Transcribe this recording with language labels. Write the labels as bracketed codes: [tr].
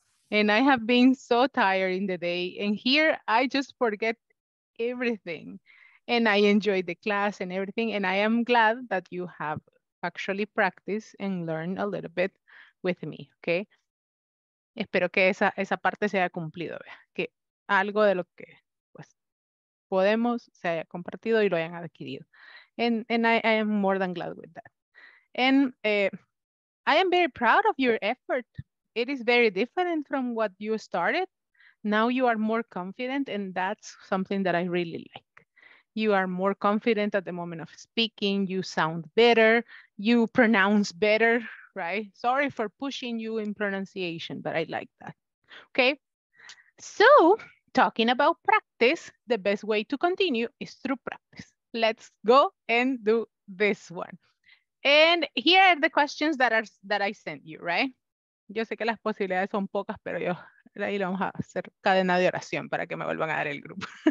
[en] And I have been so tired in the day. And here I just forget everything. And I enjoy the class and everything. And I am glad that you have actually practiced and learned a little bit with me, okay? [es] Espero que esa parte se haya cumplido, ¿vea? Que algo de lo que pues, podemos se haya compartido y lo hayan adquirido. [en] And I am more than glad with that. And I am very proud of your effort. It is very different from what you started. Now you are more confident, and that's something that I really like. You are more confident at the moment of speaking. You sound better. You pronounce better, right? Sorry for pushing you in pronunciation, but I like that. Okay. So, talking about practice, the best way to continue is through practice. Let's go and do this one. And here are the questions that I sent you, right? [es] Yo sé que las posibilidades son pocas, pero yo ahí lo vamos a hacer cadena de oración para que me vuelvan a dar el grupo.